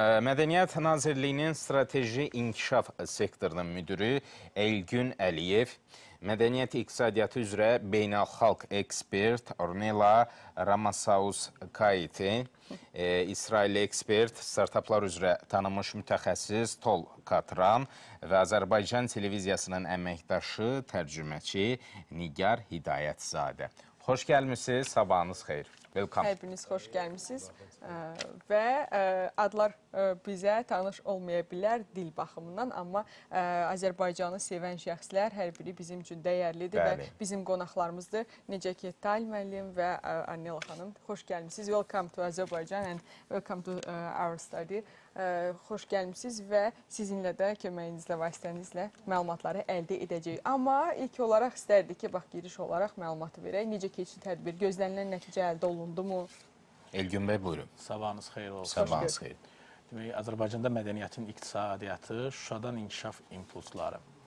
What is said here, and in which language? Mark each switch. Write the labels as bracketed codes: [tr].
[az] Mədəniyyət Nazirliyinin strateji inkişaf sektorunun müdürü Elgün Əliyev, Mədəniyyət İqtisadiyyatı üzrə beynəlxalq ekspert Ornella Ramasaus Kaiti, İsrail ekspert, startaplar üzrə tanımış mütəxəssis Tol Katran və Azərbaycan televiziyasının əməkdaşı, tərcüməçi Nigar Hidayətzadə. Xoş gəlmişsiniz, sabahınız xeyir. [tr] Hepiniz hoş gelmişsiniz ve adlar bize tanış olmayabilir dil bakımından ama Azerbaycan'ı seven şəxslər her biri bizim için değerlidir ve bizim qonaqlarımızdır. [az] Necə ki Tal müəllim ve Arnela Hanım [tr] hoş gelmişsiniz. [en] Welcome to Azerbaijan and welcome to our study. [az] Xoş gəlmişsiniz və sizinlə də köməyinizlə, vasitənizlə məlumatları əldə edəcəyik. Amma ilk olaraq istərdik ki, bax, giriş olaraq məlumatı verək. Necə keçdi tədbir? Gözlənilən nəticə əldə olundu mu? Elgün bəy, buyurun. Sabahınız xeyir olsun. Sabahınız xeyir. Demək, Azərbaycanda mədəniyyətin iqtisadiyyatı Şuşadan İnkişaf İmpulsları.